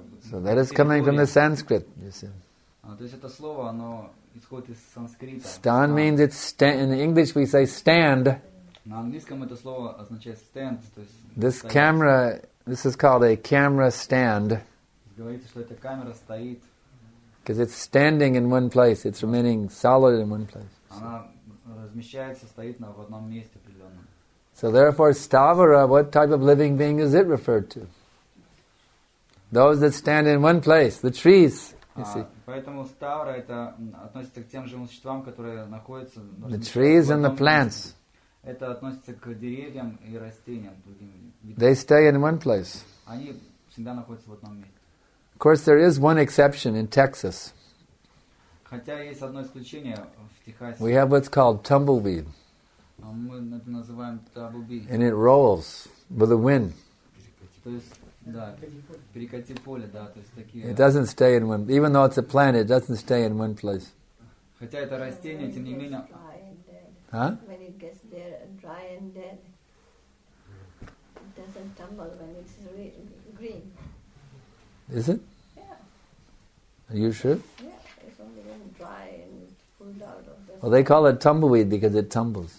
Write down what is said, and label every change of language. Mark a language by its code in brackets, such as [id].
[en] So that is coming from the Sanskrit, you see. [ru] То есть это слово, оно исходит из санскрита. [en] Stan means it's stand. In English we say stand. [ru] На английском это слово означает stand. То есть [en] this [ru] стоять. [en] Camera, this is called a camera stand. [ru] Говорится, что это камера стоит. [en] Because it's standing in one place, it's remaining solid in one place. [ru] Она размещается, стоит на в одном месте определенном. [en] So therefore, stavara, what type of living being is it referred to? Those that stand in one place, the trees, you see. [ru] Поэтому stavara это относится к тем живым существам, которые находятся. [en] The trees and the plants. [ru] Это относится к деревьям и растениям, другим видам. [en] They stay in one place. [ru] Они всегда находятся в одном месте. [en] Of course, there is one exception in Texas. [ru] Хотя есть одно исключение в Техасе. [en] We have what's called tumbleweed. [ru] Мы это называем tumbleweed. [en] And it rolls with the wind. [ru] То есть, да, перекати поле, да, то есть такие. [en] It doesn't stay in one, even though it's a plant, it doesn't stay in one place. [ru] Хотя это растение, тем не менее. [en] Huh? When it gets there dry and dead, it doesn't tumble when it's green. Is it? Yeah. Are you sure? Yeah, it's only been dry and it's pulled out of the. Well, they call it tumbleweed because it tumbles.